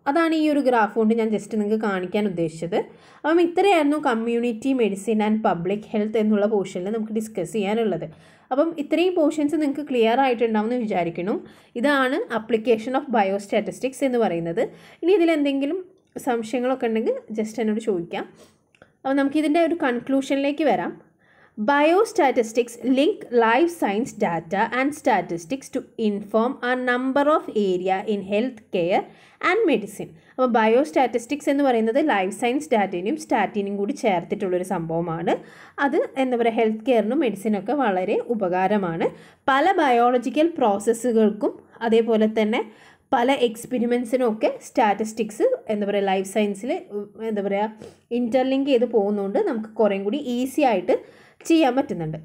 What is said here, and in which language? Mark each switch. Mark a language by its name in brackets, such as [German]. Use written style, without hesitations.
[Malayalam] അതാണ് ഈ ഒരു ഗ്രാഫ് കൊണ്ട് ഞാൻ ജസ്റ്റ് നിങ്ങൾക്ക് കാണിക്കാൻ ഉദ്ദേശിച്ചത്. അപ്പം ഇത്രയായിരുന്നു community medicine and public health എന്നുള്ള പോർഷനിൽ നമുക്ക് ഡിസ്കസ് ചെയ്യാനുള്ളത്. അപ്പം ഇത്രയും പോർഷൻസ് നിങ്ങൾക്ക് ക്ലിയർ ആയിട്ടുണ്ടാവും എന്ന് വിചാരിക്കുന്നു. ഇതാണ് അപ്ലിക്കേഷൻ ഓഫ് ബയോസ്റ്റാറ്റിസ്റ്റിക്സ് എന്ന് പറയുന്നത്. ഇനി ഇതിലെന്തെങ്കിലും സംശയങ്ങളൊക്കെ ഉണ്ടെങ്കിൽ ജസ്റ്റ് എന്നോട് ചോദിക്കാം. അപ്പോൾ നമുക്കിതിൻ്റെ ഒരു കൺക്ലൂഷനിലേക്ക് വരാം. [English] Biostatistics link life science data and statistics to inform a number of area in health care and medicine. [Malayalam] അപ്പോൾ ബയോസ്റ്റാറ്റിസ്റ്റിക്സ് എന്ന് പറയുന്നത് ലൈഫ് സയൻസ് ഡാറ്റയും സ്റ്റാറ്റിനും കൂടി ചേർത്തിട്ടുള്ളൊരു സംഭവമാണ്. അത് എന്താ പറയുക, ഹെൽത്ത് കെയറിനും മെഡിസിനൊക്കെ വളരെ ഉപകാരമാണ്. പല ബയോളജിക്കൽ പ്രോസസ്സുകൾക്കും അതേപോലെ തന്നെ പല എക്സ്പെരിമെൻസിനും ഒക്കെ സ്റ്റാറ്റിസ്റ്റിക്സ് എന്താ പറയുക, ലൈഫ് സയൻസിൽ എന്താ പറയുക, ഇൻ്റർലിങ്ക് ചെയ്ത് പോകുന്നതുകൊണ്ട് നമുക്ക് കുറേയും കൂടി ഈസി ആയിട്ട് ചെയ്യാൻ പറ്റുന്നുണ്ട്.